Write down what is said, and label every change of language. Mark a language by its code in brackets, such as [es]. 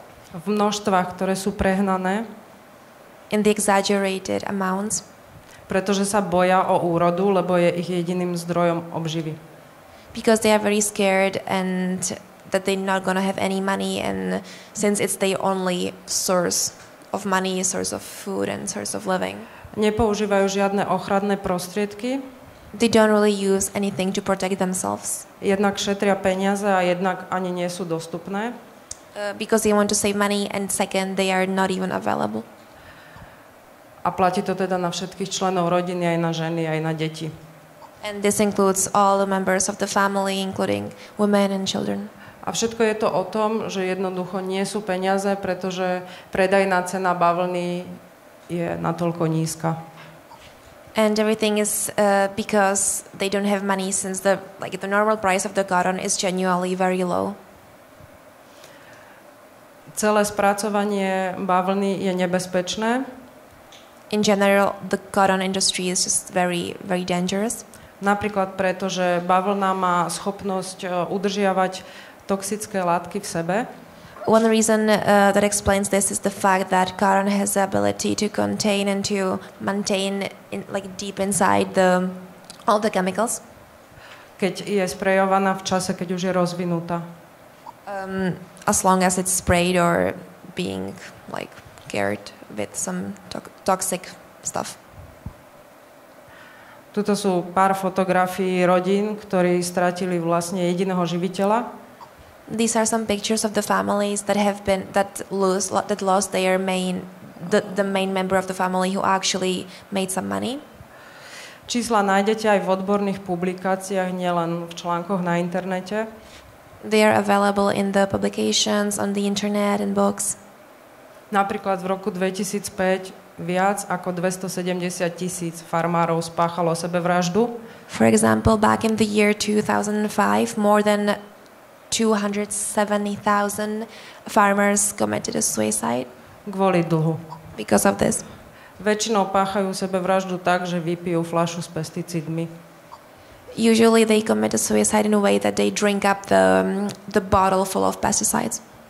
[sk] V množstvách, ktoré sú prehnané. [en] In the exaggerated amounts. [sk] Pretože sa boja o úrodu, lebo je ich jediným zdrojom obživy. [en] Because they are very scared and that they're not gonna have any money, and since it's their only source of money, source of food and source of living. [sk] Nepoužívajú žiadne ochranné prostriedky. [en] They don't really use anything to protect themselves. [sk] Jednak šetria peniaze a jednak ani nie sú dostupné. [en] Because they want to save money, and second, they are not even available. [sk] A platí to teda na všetkých členov rodiny, aj na ženy, aj na deti. [en] And this includes all the members of the family, including women and children. [sk] A všetko je to o tom, že jednoducho nie sú peniaze, pretože predajná cena bavlny je natoľko nízka. [en] And everything is because they don't have money, since the normal price of the cotton is genuinely very low. [sk] Celé spracovanie bavlny je nebezpečné. [en] In general, the cotton industry is just very, very dangerous. [sk] Napríklad preto, že bavlna má schopnosť udržiavať toxické látky v sebe. [en] One reason that explains this is the fact that cotton has the ability to contain and to maintain deep inside all the chemicals. [sk] Keď je sprejovaná v čase, keď už je rozvinutá. [en] As long as it's sprayed or being cared with some toxic stuff. [sk] Tuto sú pár fotografií rodín, ktorí stratili vlastne jediného živiteľa. [en] These are some pictures of the families that lost their main member of the family who actually made some money. [sk] Čísla nájdete aj v odborných publikáciách, nielen v článkoch na internete. [en] They are available in the publications, on the internet, and books. [sk] Napríklad v roku 2005 viac ako 270,000 farmárov spáchalo sebevraždu. [en] For example, back in the year 2005, more than 270,000 farmers committed a suicide. [sk] Kvôli dlhu. [en] Because of this. [sk] Väčšinou páchajú sebevraždu tak, že vypijú fľašu s pesticídmi. [en] Usually they commit a suicide in a way that they drink up the bottle full of pesticides.